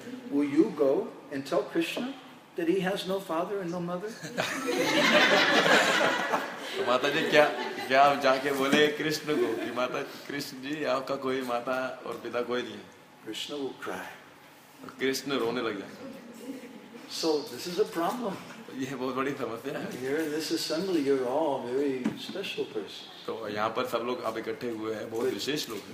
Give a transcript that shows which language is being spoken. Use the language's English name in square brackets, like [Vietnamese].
[English] will you go and tell Krishna that he has no father and no mother? [Hindi] Mataji, क्या आप जाके बोले कृष्ण को कि माता कृष्ण जी आपका कोई माता और पिता कोई नहीं है? [English] Krishna will cry. [Hindi] कृष्ण रोने लग जाएंगे. [English] So this is a problem. [Hindi] ये बहुत बड़ी समस्या है [English] Here in this assembly, you're all very special persons. [Hindi] तो यहाँ पर सब लोग आप इकट्ठे हुए हैं बहुत विशेष लोग